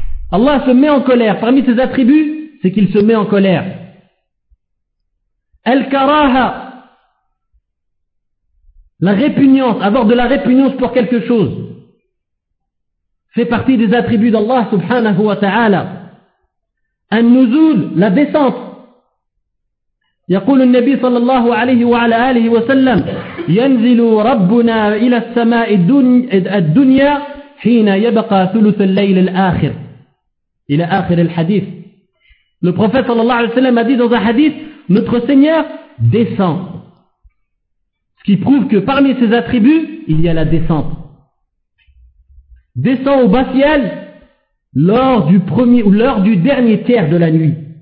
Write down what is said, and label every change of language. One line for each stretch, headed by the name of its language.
French: Allah se met en colère. Parmi ses attributs, c'est qu'il se met en colère. Al-Karaha, la répugnance, avoir de la répugnance pour quelque chose, fait partie des attributs d'Allah subhanahu wa ta'ala. Al-Nuzul, la descente.
Arabic: يقول النبي صلى الله عليه وعلى آله وسلم ينزل ربنا إلى السماء الدنيا حين يبقى ثلث الليل الآخر إلى آخر الحديث.
French: Le prophète صلى الله عليه وسلم a dit dans un hadith, notre Seigneur descend. Ce qui prouve que parmi ses attributs, il y a la descente. Descend au bas ciel lors du premier ou lors du dernier tiers de la nuit.